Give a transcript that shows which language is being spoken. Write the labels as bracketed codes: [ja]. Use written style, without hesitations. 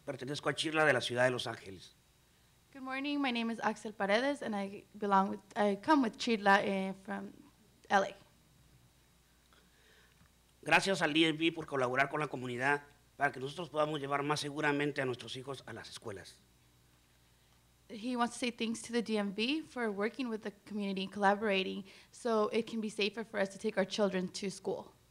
[es] Pertenezco a Chirla de la ciudad de Los Ángeles. [en] Good morning. My name is Axel Paredes, and I come with Chirla from LA. [es] Gracias al DMV por colaborar con la comunidad para que nosotros podamos llevar más seguramente a nuestros hijos a las escuelas. [en] He wants to say thanks to the DMV for working with the community and collaborating so it can be safer for us to take our children to school.